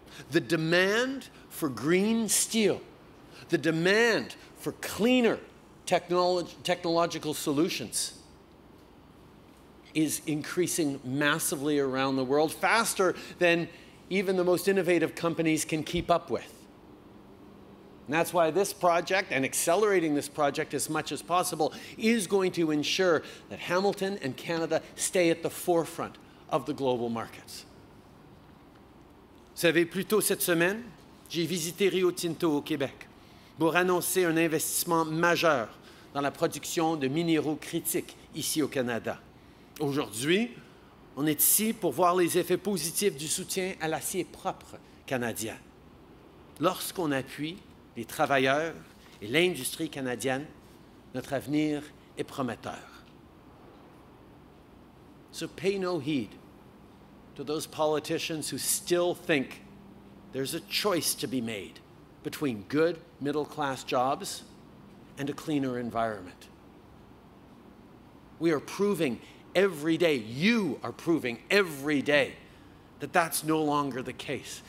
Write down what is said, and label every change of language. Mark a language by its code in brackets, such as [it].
[en] The demand for green steel, the demand for cleaner technological solutions is increasing massively around the world, faster than even the most innovative companies can keep up with. And that's why this project, and accelerating this project as much as possible, is going to ensure that Hamilton and Canada stay at the forefront of the global markets. [fr] Vous savez, plus tôt cette semaine, j'ai visité Rio Tinto au Québec pour annoncer un investissement majeur dans la production de minéraux critiques ici au Canada. Aujourd'hui, on est ici pour voir les effets positifs du soutien à l'acier propre canadien. Lorsqu'on appuie les travailleurs et l'industrie canadienne, notre avenir est prometteur. [en] So pay no heed to those politicians who still think there's a choice to be made between good middle-class jobs and a cleaner environment. We are proving every day, you are proving every day, that that's no longer the case.